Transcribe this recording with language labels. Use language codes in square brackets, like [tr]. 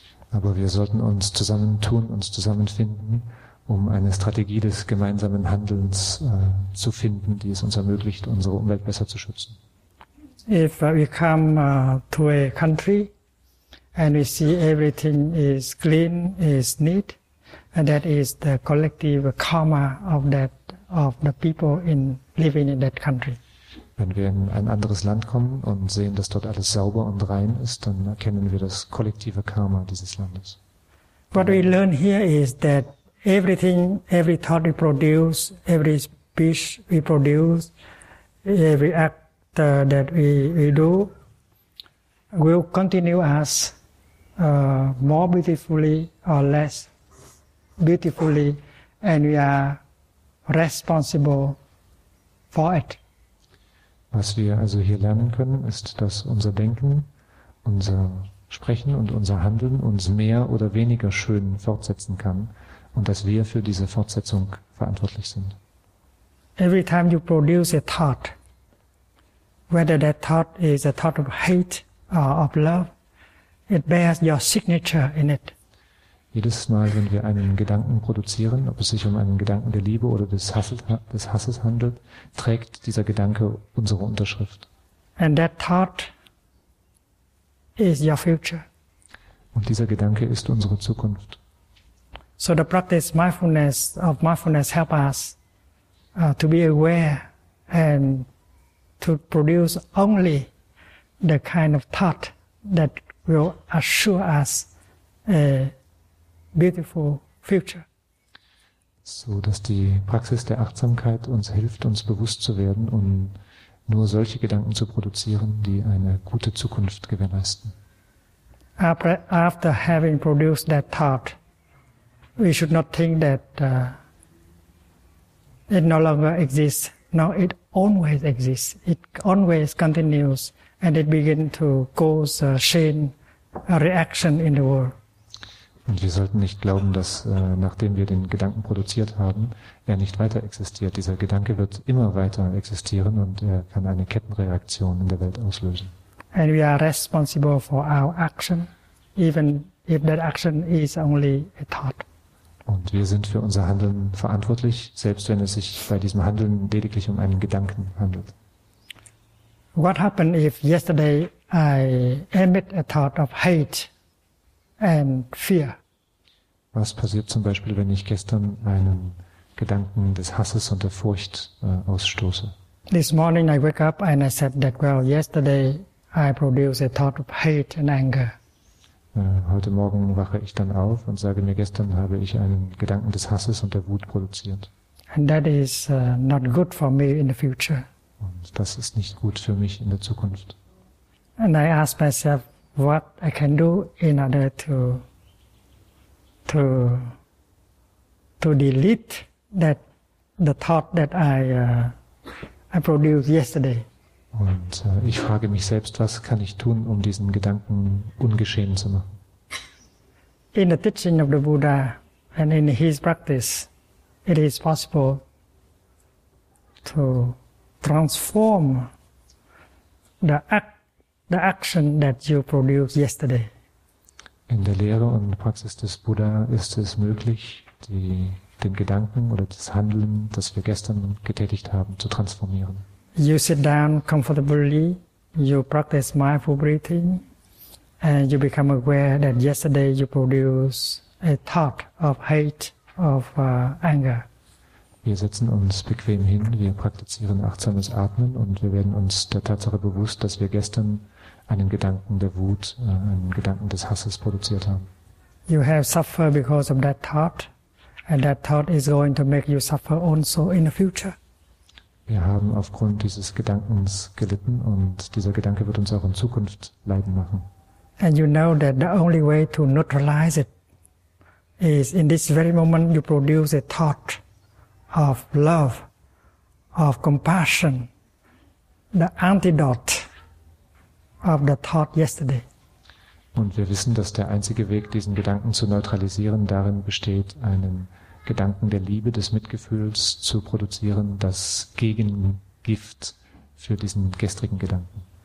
[de] Aber wir sollten uns zusammentun, uns zusammenfinden, um eine Strategie des gemeinsamen Handelns zu finden, die es uns ermöglicht, unsere Umwelt besser zu schützen. [en] If we come to a country and we see everything is clean, is neat, and that is the collective karma of the people living in that country. [de] Wenn wir in ein anderes Land kommen und sehen, dass dort alles sauber und rein ist, dann erkennen wir das kollektive Karma dieses Landes. [en] What we learn here is that everything, every thought we produce, every speech we produce, every act that we do, will continue us more beautifully or less beautifully, and we are responsible for it. [de] Was wir also hier lernen können, ist, dass unser Denken, unser Sprechen und unser Handeln uns mehr oder weniger schön fortsetzen kann und dass wir für diese Fortsetzung verantwortlich sind. [en] Every time you produce a thought, whether that thought is a thought of hate or of love, it bears your signature in it. [de] Jedes Mal, wenn wir einen Gedanken produzieren, ob es sich um einen Gedanken der Liebe oder des Hasses handelt, trägt dieser Gedanke unsere Unterschrift. [en] And that thought is your future. [de] Und dieser Gedanke ist unsere Zukunft. [en] So the practice mindfulness help us to be aware and to produce only the kind of thought that will assure us beautiful future. [de] So dass die Praxis der Achtsamkeit uns hilft, uns bewusst zu werden und nur solche Gedanken zu produzieren, die eine gute Zukunft gewährleisten. [en] After having produced that thought, we should not think that it no longer exists. No, it always exists. It always continues, and it begins to cause a change, a reaction in the world. [de] Und wir sollten nicht glauben, dass nachdem wir den Gedanken produziert haben, er nicht weiter existiert. Dieser Gedanke wird immer weiter existieren und er kann eine Kettenreaktion in der Welt auslösen. [en] And we are responsible for our action, even if that action is only a thought. [de] Und wir sind für unser Handeln verantwortlich, selbst wenn es sich bei diesem Handeln lediglich um einen Gedanken handelt. [en] What happened if yesterday I emit a thought of hate? And fear. [de] Was passiert zum Beispiel, wenn ich gestern einen Gedanken des Hasses und der Furcht ausstoße? [en] This morning I wake up and I said that, well, yesterday I produced a thought of hate and anger. [de] Heute Morgen wache ich dann auf und sage mir, gestern habe ich einen Gedanken des Hasses und der Wut produziert. [en] And that is not good for me in the future. [de] Und das ist nicht gut für mich in der Zukunft. [en] And I ask myself, what I can do in order to delete that the thought that I produced yesterday. [de] Und ich frage mich selbst, was kann ich tun, um diesen Gedanken ungeschehen zu machen? [en] In the teaching of the Buddha and in his practice, it is possible to transform the action that you produced yesterday. [de] In der Lehre und Praxis des Buddha ist es möglich, den Gedanken oder das Handeln, das wir gestern getätigt haben, zu transformieren. [en] You sit down comfortably, you practice mindful breathing, and you become aware that yesterday you produced a thought of hate, of anger. [de] Wir setzen uns bequem hin, wir praktizieren achtsames Atmen und wir werden uns der Tatsache bewusst, dass wir gestern einen Gedanken der Wut, einen Gedanken des Hasses produziert haben. [en] You have suffered because of that thought, and that thought is going to make you suffer also in the future. [de] Wir haben aufgrund dieses Gedankens gelitten und dieser Gedanke wird uns auch in Zukunft leiden machen. [en] And you know that the only way to neutralize it is in this very moment you produce a thought of love, of compassion, the antidote of the thought yesterday. [de] Und wir wissen, dass der einzige Weg, diesen Gedanken zu neutralisieren, darin besteht, einen Gedanken der Liebe, des Mitgefühls zu produzieren, das Gegengift für diesen gestrigen Gedanken.